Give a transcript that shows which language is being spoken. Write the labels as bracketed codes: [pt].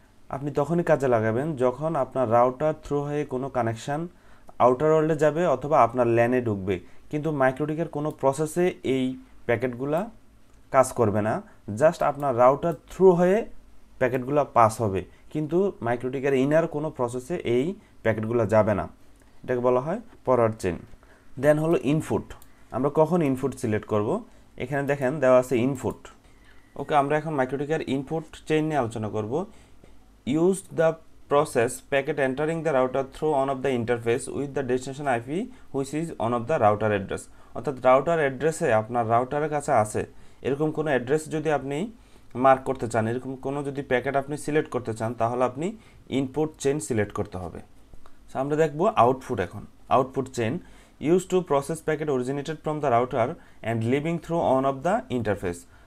[bn] আপনি তখনই কাজে লাগাবেন যখন আপনার রাউটার থ্রু হয়ে কোনো কানেকশন আউটার ওয়ার্ল্ডে যাবে অথবা আপনার ল্যানে ঢুকবে, কিন্তু MikroTik-এর কোনো প্রসেসে এই প্যাকেটগুলো কাজ করবে না, জাস্ট আপনার রাউটার থ্রু হয়ে প্যাকেটগুলো পাস হবে, কিন্তু MikroTik-এর ইনার কোনো প্রসেসে এই প্যাকেটগুলো যাবে না, এটাকে বলা হয় ফরওয়ার্ড চেইন। দেন হলো ইনপুট, আমরা কখন ইনপুট সিলেক্ট করব, এখানে দেখেন দেওয়া আছে ইনপুট। ওকে, আমরা এখন MikroTik-এর ইনপুট চেইন নিয়ে আলোচনা করব। [en] used the process packet entering the router through one of the interface with the destination IP which is one of the router address. [bn] অর্থাৎ রাউটার অ্যাড্রেসে আপনার রাউটারের কাছে আছে এরকম কোনো অ্যাড্রেস যদি আপনি মার্ক করতে চান, এরকম কোনো যদি প্যাকেট আপনি সিলেক্ট করতে চান, তাহলে আপনি ইনপুট চেইন সিলেক্ট করতে হবে। [en] so [bn] আমরা দেখব আউটপুট। এখন [en] Output chain use to process packet originated from the router and leaving through one of the interface.